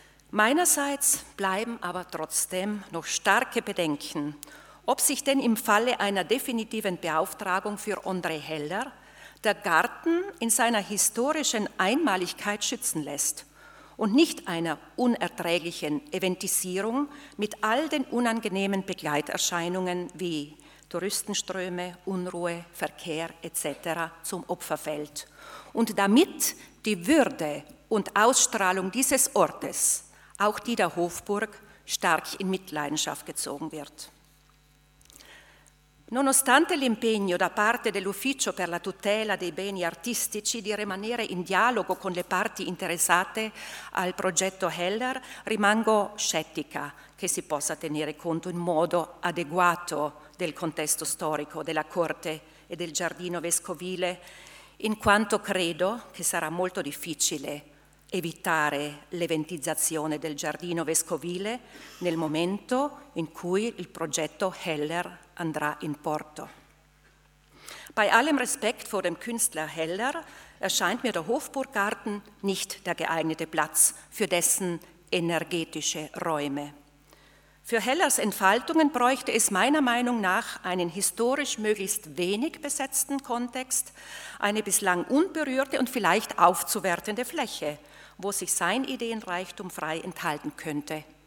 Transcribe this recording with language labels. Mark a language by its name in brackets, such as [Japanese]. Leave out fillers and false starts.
[German] Meinerseits bleiben aber trotzdem noch starke Bedenken, ob sich denn im Falle einer definitiven Beauftragung für André Heller der Garten in seiner historischen Einmaligkeit schützen lässt und nicht einer unerträglichen Eventisierung mit all den unangenehmen Begleiterscheinungen wie Touristenströme, Unruhe, Verkehr etc. zum Opfer fällt und damit die Würde und Ausstrahlung dieses Ortes, auch die der Hofburg, stark in Mitleidenschaft gezogen wird. [Italian] Nonostante l'impegno da parte dell'ufficio per la tutela dei beni artistici di rimanere in dialogo con le parti interessate al progetto Heller, rimango scettica che si possa tenere conto in modo adeguato del contesto storico della corte e del giardino vescovile, in quanto credo che sarà molto difficile evitare l'eventizzazione del giardino vescovile nel momento in cui il progetto Heller andrà in porto. [German] Bei allem Respekt vor dem Künstler Heller erscheint mir der Hofburggarten nicht der geeignete Platz für dessen energetische Räume. Für Hellers Entfaltungen bräuchte es meiner Meinung nach einen historisch möglichst wenig besetzten Kontext, eine bislang unberührte und vielleicht aufzuwertende Fläche, wo sich sein Ideenreichtum frei entfalten könnte.